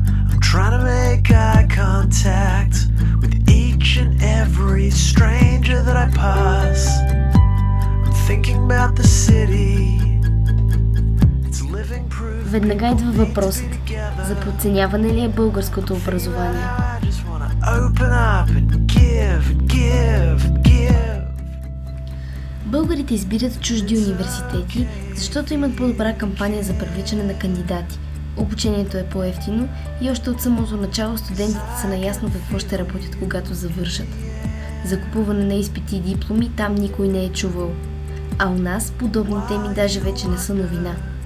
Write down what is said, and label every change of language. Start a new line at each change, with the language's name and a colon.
English: I'm trying to make eye contact with each and every stranger that I pass. I'm thinking about the city. It's living proof.
Bulgarian: Веднага идва въпросът. За подценяване ли е българското образование?
English: Open up and give and give and give.
Bulgarian: Българите избират чужди университети, защото имат по-добра кампания за привличане на кандидати. Обучението е по-евтино и още от самото начало студентите са наясно какво ще работят, когато завършат. Закупуване на изпити и дипломи там никой не е чувал. А у нас подобни теми даже вече не са новина.